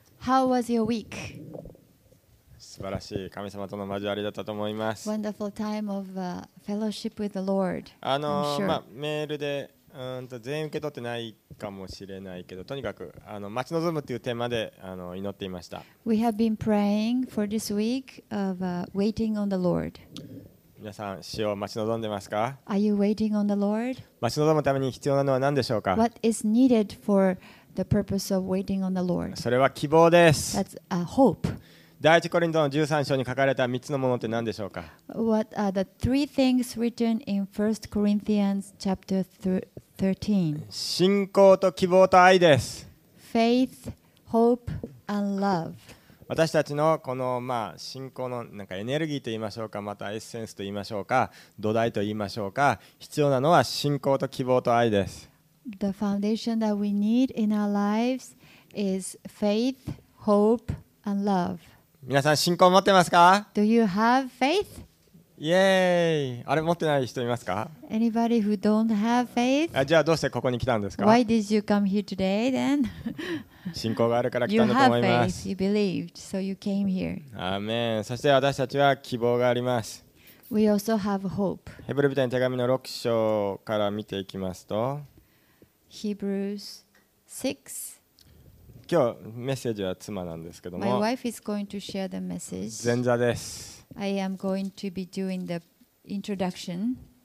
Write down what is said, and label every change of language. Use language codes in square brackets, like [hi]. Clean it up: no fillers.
[en] How was your week? [ja] 素晴らしい神様との交わりだったと思います。 [en] Wonderful time of fellowship with the Lord. Sure. [ja] まあ、メールで全員受け取ってないかもしれないけど、とにかく待ち望むというテーマで祈っていました。 [en] We have been praying for this week of waiting on the Lord. [ja] 皆さん、主を待ち望んでますか？ [en] Are you waiting on the Lord? [ja] 待ち望むために必要なのは何でしょうか？ [en] What is needed for the purpose of waiting on the Lord? [ja] それは希望です。 [en] That's a hope. [ja] 第一コリントの13章に書かれた3つのものって何でしょうか？ [en] What are the three things written in 1 Corinthians chapter 13? [ja] 信仰と希望と愛です。 [en] Faith, hope, and love. [ja] 私たちのこの信仰のなんかエネルギーといいましょうか、またエッセンスといいましょうか、土台といいましょうか、必要なのは信仰と希望と愛です。 [en] The foundation that we need in our lives is faith, hope, and love. [ja] 皆さん信仰持ってますか？ [en] Do you have faith? [ja] イエーイ！あれ持ってない人いますか？ [en] Anybody who don't have faith? [ja] じゃあどうしてここに来たんですか？ [en] Why did you come here today then? [ja] 信仰があるから来たんだと思います。 [en] You have faith, you believed, so you came here. [ja] アーメン。そして私たちは希望があります。 [en] We also have hope. [ja] ヘブル人への手紙の6章から見ていきますと、 [en] Hebrews 6。 [ja] 今日メッセージは妻なんですけども、 [en] My wife is going to share the message. [ja] 前座です。 [en] I am going to be doing the introduction.